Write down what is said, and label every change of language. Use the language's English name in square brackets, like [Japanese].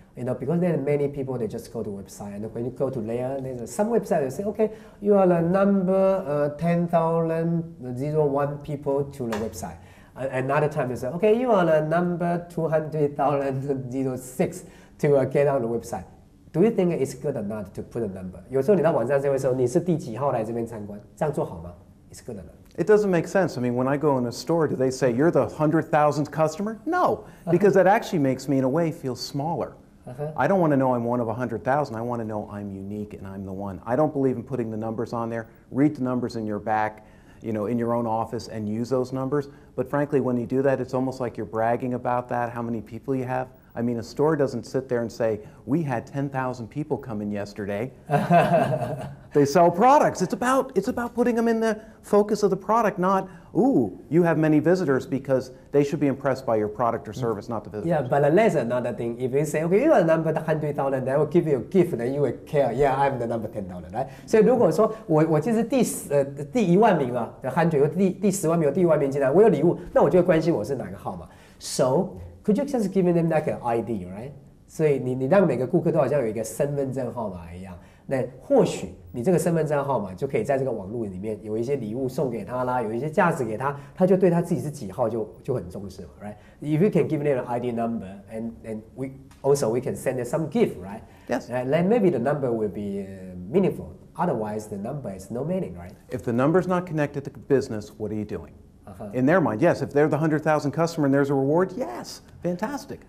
[English] You know, because there are many people, they just go to website, and when you go to there, some website, they say, okay, you are the number 10,001 people to the website. Another time, they say, okay, you are the number 200,006 to get on the website. Do you think it's good or not to put a number? [Chinese] 有时候你到网站上会说你是第几号来这边参观，这样做好吗？ [English] It's good or not? It doesn't make sense. I mean, when I go in a store, do they say you're the 100,000th customer? No, because that actually makes me, in a way, feel smaller. I don't want to know I'm one of 100,000. I want to know I'm unique and I'm the one. I don't believe in putting the numbers on there. Read the numbers in your back, you know, in your own office, and use those numbers. But frankly, when you do that, it's almost like you're bragging about that, how many people you have. I mean, a store doesn't sit there and say, we had 10,000 people come in yesterday. They sell products. It's about putting them in the focus of the product, not, ooh, you have many visitors, because they should be impressed by your product or service, not the visitors. Yeah, but that's another thing. If you say, okay, you are number 100,000, I will give you a gift, then you will care. Yeah, I'm the number 10,000, right? [Chinese] 所以如果说我就是第一万名了，第100,又第十万名，又第一万名进来，我有礼物，那我就会关心我是哪个号码。 [English] So,Could you just give them like an ID, right? [Chinese] 所以你让每个顾客都好像有一个身份证号码一样，那或许你这个身份证号码就可以在这个网络里面有一些礼物送给他啦，有一些价值给他，他就对他自己是几号就很重视了， right? [English] If you can give them an ID number, and we also we can send them some gift, right? Yes. Then maybe the number will be meaningful. Otherwise, the number is no meaning, right? If the number's not connected to business, what are you doing? In their mind, yes. If they're the 100,000 customer and there's a reward, yes, fantastic.